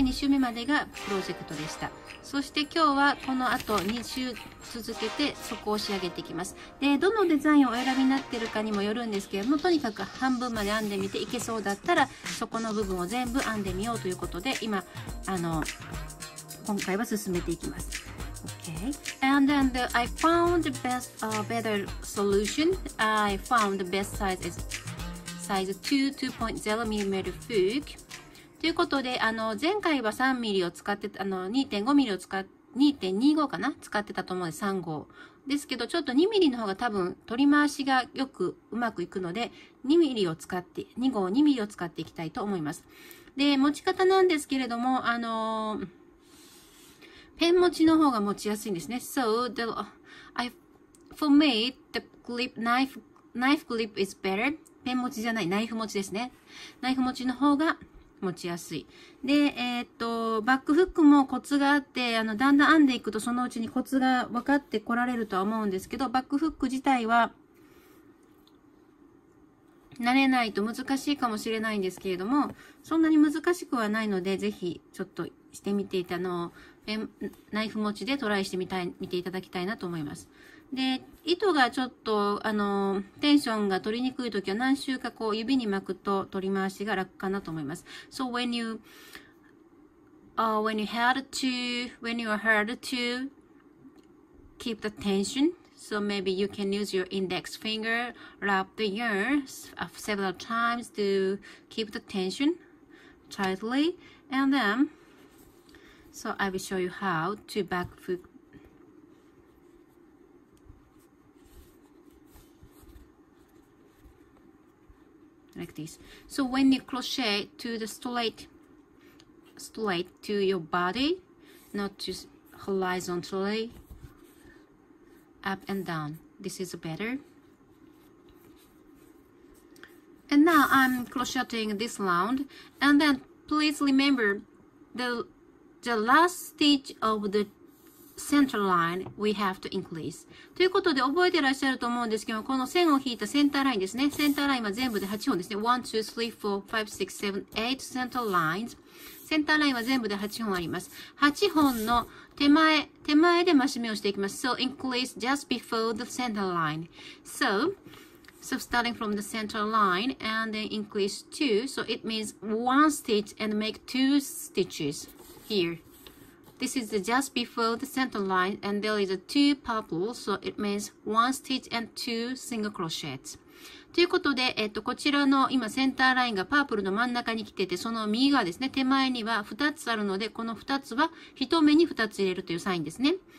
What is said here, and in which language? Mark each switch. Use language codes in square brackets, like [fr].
[ja] 2週目までがプロジェクトでした。そして今日はこの後2週続けてそこを仕上げていきます。で、どのデザインをお選びになっているかにもよるんですけれども、とにかく半分まで編んでみていけそうだったら、そこの部分を全部編んでみようということで、今、今回は進めていきます。 [en] Okay. And then I found the best, better solution. I found the best size is size 2.0mm fook. [ja] ということで、前回は3ミリを使ってた、2.5 ミリを使っ、2.25 かな使ってたと思うので3号。ですけど、ちょっと2ミリの方が多分取り回しがよくうまくいくので、2ミリを使って、2号2ミリを使っていきたいと思います。で、持ち方なんですけれども、ペン持ちの方が持ちやすいんですね。 [en] So, the, I, for me, the clip, knife clip is better. [ja] ペン持ちじゃない、ナイフ持ちですね。ナイフ持ちの方が、持ちやすい。で、バックフックもコツがあって、だんだん編んでいくとそのうちにコツが分かってこられるとは思うんですけど、バックフック自体は慣れないと難しいかもしれないんですけれども、そんなに難しくはないので、ぜひちょっとしてみていた、ナイフ持ちでトライしてみたい、見ていただきたいなと思います。で、糸がちょっと、テンションが取りにくいときは何周かこう指に巻くと取り回しが楽かなと思います。 [en] So when you,when you are hard to keep the tension, so maybe you can use your index finger, wrap the yarn several times to keep the tension tightly, and then, so I will show you how to back hook. Like this. So when you crochet to the straight to your body, not just horizontally up and down. This is better. And now I'm crocheting this round. And then please remember the last stitch of the center line we have to increase. [ja] ということで覚えてらっしゃると思うんですけど、この線を引いたセンターラインですね。センターラインは全部で8本ですね。 1、2、3、4、5、6、7、8 center lines。センターラインは全部で8本あります。8本の手前で増し目をしていきます。 [en] So increase just before the center line. So starting from the center line and then increase 2. So it means 1 stitch and make 2 stitches here. This is just before the center line, and there is a two purple, so it means one stitch and two single crochets. [ja] ということで、こちらの今センターラインがパープルの真ん中に来てて、その右側ですね、手前には2つあるので、この2つは1目に2つ入れるというサインですね。